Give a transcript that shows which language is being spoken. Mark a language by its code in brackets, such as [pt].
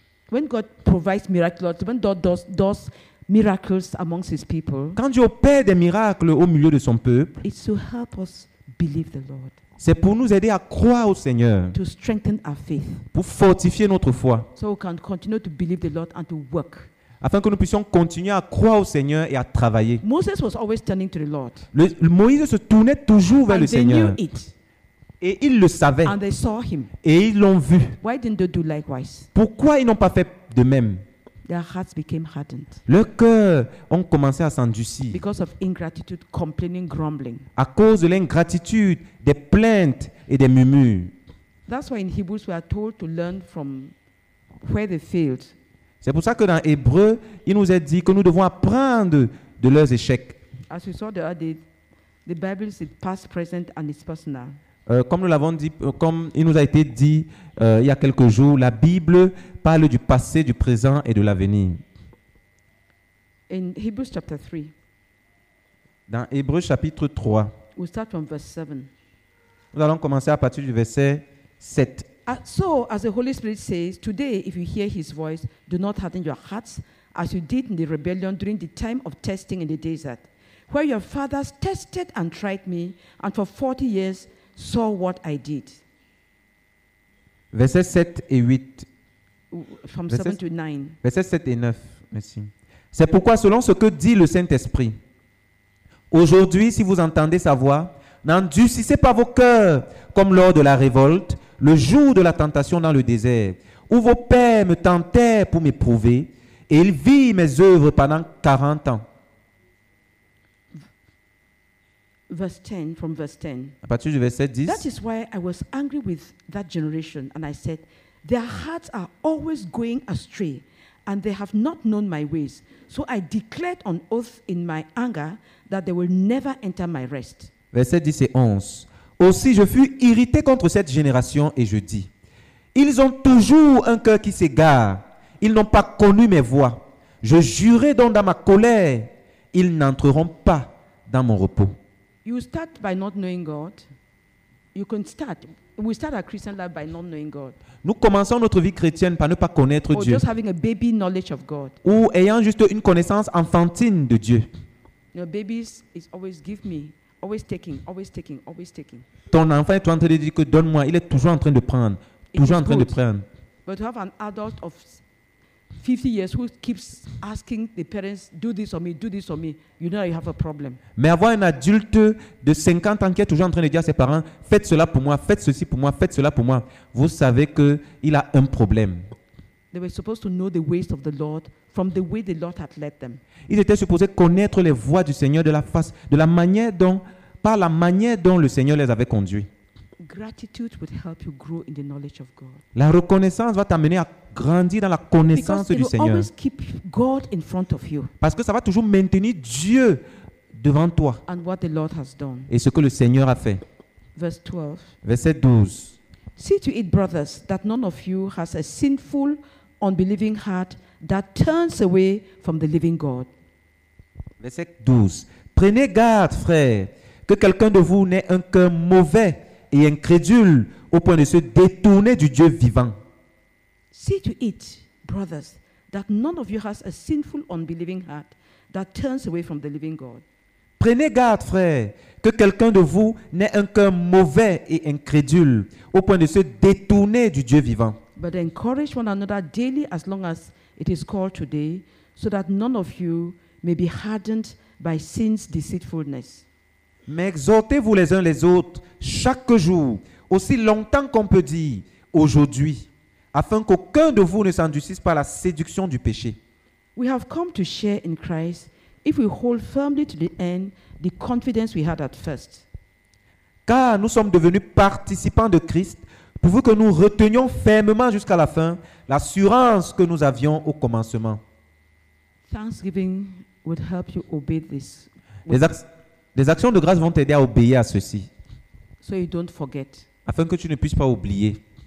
[en] When God provides miracles, when God does miracles amongst His people. [fr] Quand Dieu opère des miracles au milieu de son peuple. [en] It's to help us believe the Lord. [fr] C'est pour nous aider à croire au Seigneur. [en] To strengthen our faith. [fr] Pour fortifier notre foi. [en] So we can continue to believe the Lord and to work. [fr] Afin que nous puissions continuer à croire au Seigneur et à travailler. [en] Moses was always turning to the Lord. [fr] Moïse se tournait toujours vers [en] and [fr] le Seigneur. [en] Knew it. [fr] Et ils le savaient. [en] And they saw him. [fr] Et ils l'ont vu. [en] Why didn't they do likewise? [fr] Pourquoi ils n'ont pas fait de même? [en] Their hearts became hardened. [fr] Leurs cœurs ont commencé à s'endurcir. [en] Because of ingratitude, complaining, grumbling. [fr] À cause de l'ingratitude, des plaintes et des murmures. [en] That's why in Hebrews we are told to learn from where they failed. [fr] C'est pour ça que dans Hébreu, il nous est dit que nous devons apprendre de leurs échecs. [en] As you saw the Bible is past, present and it's personal. [fr] Comme nous l'avons dit, comme il nous a été dit il y a quelques jours, la Bible parle du passé, du présent et de l'avenir. [en] In Hebrews chapter 3. [fr] Dans Hébreu chapitre 3. [en] We start from verse 7. [fr] Nous allons commencer à partir du verset 7. [en] So, as the Holy Spirit says, today, if you hear His voice, do not harden your hearts, as you did in the rebellion during the time of testing in the desert, where your fathers tested and tried me, and for 40 years saw what I did. [fr] Versets 7 et 8. [en] From 7 to 9. [fr] Versets 7 et 9, merci. C'est pourquoi, selon ce que dit le Saint-Esprit, aujourd'hui, si vous entendez sa voix, n'endurcissez pas vos cœurs comme lors de la révolte, le jour de la tentation dans le désert, où vos pères me tentèrent pour m'éprouver, et ils virent mes œuvres pendant 40 ans. [en] Verse 10. [fr] À partir du verset 10. [en] That is why I was angry with that generation, and I said, their hearts are always going astray, and they have not known my ways. So I declared on oath in my anger that they will never enter my rest. [fr] Verset 10 et 11. Aussi je fus irrité contre cette génération et je dis, ils ont toujours un cœur qui s'égare. Ils n'ont pas connu mes voies. Je jurai donc dans ma colère, ils n'entreront pas dans mon repos. [en] You start by not knowing God. You can start. We start our Christian life by not knowing God. [fr] Nous commençons notre vie chrétienne par ne pas connaître [en] or [fr] Dieu. [en] Just having a baby knowledge of God. [fr] Ou ayant juste une connaissance enfantine de Dieu. [en] You know, babies is always give me, always taking, always taking, always taking. [fr] Ton enfant est en train de dire que donne-moi, il est toujours en train de prendre, toujours en train de prendre. [en] But to have an adult of 50 years who keeps asking the parents, do this for me, do this for me, you know you have a problem. [fr] Mais avoir un adulte de 50 ans qui est toujours en train de dire à ses parents, faites cela pour moi, faites ceci pour moi, faites cela pour moi, vous savez qu'il a un problème. [en] They were supposed to know the ways of the Lord from the way the Lord had led them. [fr] Ils étaient supposés connaître les voies du Seigneur de la face, de la manière dont, par la manière dont le Seigneur les avait conduits. [en] Gratitude would help you grow in the knowledge of God. [fr] La reconnaissance va t'amener à grandir dans la connaissance du Seigneur. [en] Because it will always keep God in front of you. [fr] Parce que ça va toujours maintenir Dieu devant toi. [en] And what the Lord has done. [fr] Et ce que le Seigneur a fait. Verset 12. [en] See to it, brothers, that none of you has a sinful, unbelieving heart that turns away from the living God. [fr] Verset 12. Prenez garde, frères, que quelqu'un de vous n'ait un cœur mauvais et incrédule au point de se détourner du Dieu vivant. [en] See to it, brothers, that none of you has a sinful, unbelieving heart that turns away from the living God. [fr] Prenez garde, frères, que quelqu'un de vous n'ait un cœur mauvais et incrédule au point de se détourner du Dieu vivant. [en] But encourage one another daily as long as it is called today, so that none of you may be hardened by sin's deceitfulness. [fr] Mais exhortez-vous les uns les autres chaque jour, aussi longtemps qu'on peut dire aujourd'hui, afin qu'aucun de vous ne s'endurcisse par la séduction du péché. [en] We have come to share in Christ if we hold firmly to the end the confidence we had at first. [fr] Car nous sommes devenus participants de Christ pourvu que nous retenions fermement jusqu'à la fin l'assurance que nous avions au commencement. [en] Thanksgiving would help you obey this. [fr] Les actions de grâce vont t'aider à obéir à ceci. [en] So you don't forget. [fr] Afin que tu ne puisses pas oublier.